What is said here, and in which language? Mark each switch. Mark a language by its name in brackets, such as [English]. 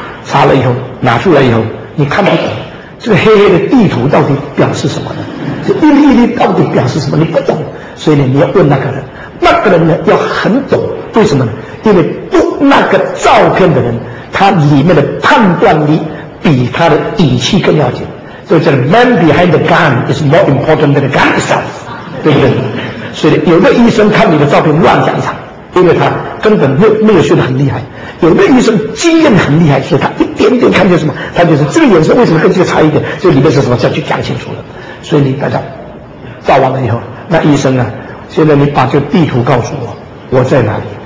[Chinese] 查了以后拿出来以后，你看不懂这个黑黑的地图到底表示什么呢？这一粒一粒到底表示什么？你不懂。所以呢，你要问那个人，那个人呢要很懂。为什么呢？因为那个照片的人，他里面的判断力比他的底气更要紧。所以这个 [English] man behind the gun is more important than the gun itself， [Chinese] 对不对？所以有的医生看你的照片乱讲一场，因为他根本没有学得很厉害。有的医生经验很厉害，所以他一点点看见什么，他就是这个颜色为什么跟这个差一点，这里面是什么，这样就讲清楚了。所以你大家照完了以后，那医生呢，现在你把这个地图告诉我，我在哪里。